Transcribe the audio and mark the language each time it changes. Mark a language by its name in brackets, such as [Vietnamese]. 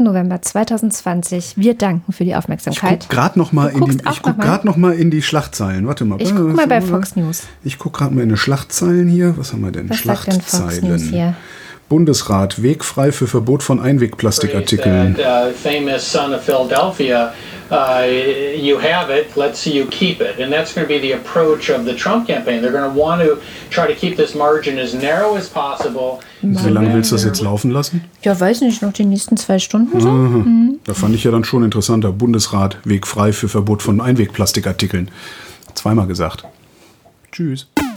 [German] November 2020. Wir danken für die Aufmerksamkeit. Ich guck gerade noch mal in die Schlachtzeilen. Warte mal. Ich guck mal bei Fox News. Ich guck gerade mal in die Schlachtzeilen hier. Was haben wir denn? Was Schlachtzeilen. Sagt denn Fox News hier? Bundesrat, Weg frei für Verbot von Einwegplastikartikeln. [English] Famous son of Philadelphia. You have it, let's see you keep it. And that's going to be the approach of the Trump campaign. They're going to want to try to keep this margin as narrow as possible. [German] Wie lange willst du das jetzt laufen lassen? Ja, weiß nicht, noch die nächsten 2 Stunden. So. Da fand ich ja dann schon interessanter. Bundesrat, Weg frei für Verbot von Einwegplastikartikeln. Zweimal gesagt. Tschüss.